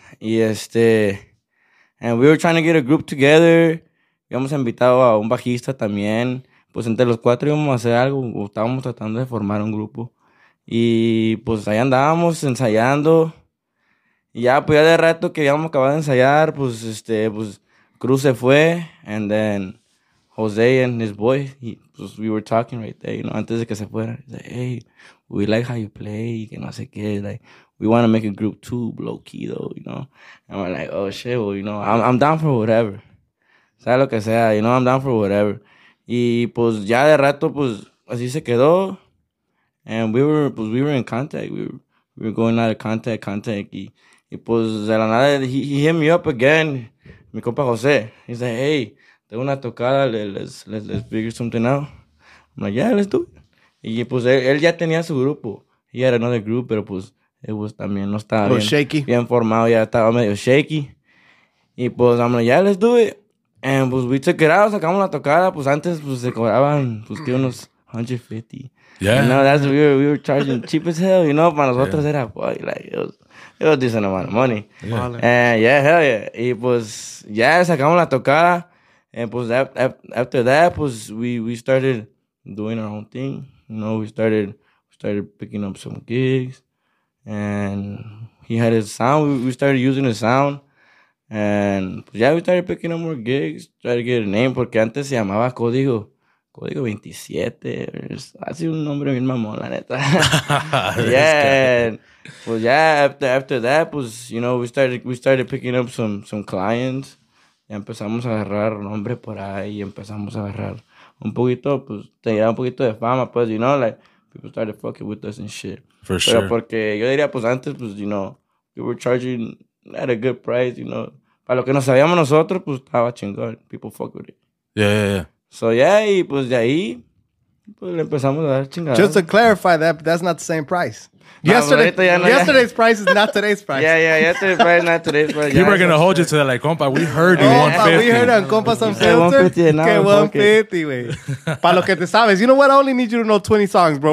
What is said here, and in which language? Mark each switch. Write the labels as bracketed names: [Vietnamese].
[Spanish] Y este, [English] and we were trying to get a group together. [Spanish] Habíamos invitado a un bajista también. Pues, entre los cuatro íbamos a hacer algo. Estábamos tratando de formar un grupo. Y, pues, ahí andábamos ensayando. Y ya, pues, ya de rato que habíamos acabado de ensayar, pues, este, pues, Cruz se fue. [English] And then, Jose and his boy, he, pues, we were talking right there, you know, [Spanish] antes de que se fuera. [English] He's like, hey, we like how you play, [Spanish] que no sé qué. [English] Like, we want to make a group too, low-key, though, you know. And we're like, oh, shit, well, you know, I'm down for whatever. [Spanish] Sea lo que sea, [English] you know, I'm down for whatever. [Spanish] Y, pues, ya de rato, pues, así se quedó. [English] And we were, pues, we were in contact. We were going out of contact, contact. [Spanish] Y pues, de la nada, [English] he hit me up again. [Spanish] Mi compa José. [English] He's like, hey, [Spanish] tengo una tocada. [English] Let's figure something out. I'm like, yeah, let's do it. [Spanish] Y pues, él ya tenía su grupo. [English] He had another group, [Spanish] pero pues, [English] it was [Spanish] también no estaba bien. [English] Shaky. [Spanish] Bien formado. Ya estaba medio shaky. Y pues, [English] I'm like, yeah, let's do it. And pues, we took it out. [Spanish] Sacamos la tocada. Pues, antes, pues, se cobraban, pues, que unos 150. [English] Yeah, you know, that's we were charging cheap as hell, you know. [Spanish] Para nosotros era, [English] boy, like it was decent amount of money. Yeah. And yeah, hell yeah. [Spanish] Y pues ya sacamos la tocada. [English] And pues after that, pues we started doing our own thing. You know, we started picking up some gigs. And he had his sound. We started using his sound. And pues, yeah, we started picking up more gigs. Try to get a name [Spanish] porque antes se llamaba Código. Código 27, ha sido un nombre bien mamón, la neta. [English] Yeah, well, yeah, after that, pues, you know, we started picking up some clients. [Spanish] Y empezamos a agarrar nombre por ahí y empezamos a agarrar un poquito, pues, te llegaba un poquito de fama, pues, [English] you know, like, people started fucking with us and shit. For sure. [Spanish] Porque yo diría, pues, antes, pues, [English] you know, we were charging at a good price, you know. [Spanish] Para lo que no sabíamos nosotros, pues, estaba chingón. [English] People fuck with it. Yeah. So, yeah, [Spanish] y pues de ahí, pues le empezamos a dar chingadas. [English] Just to clarify that, that's not the same price. Yesterday's price is not today's price. Yeah, yesterday's price is not today's price. You were going to hold you to that, like, compa, we heard you 150. We heard on compa some filter. 150 and now, [Spanish] que 150, wey. Para lo que te sabes. [English] You know what? I only need you to know 20 songs, bro.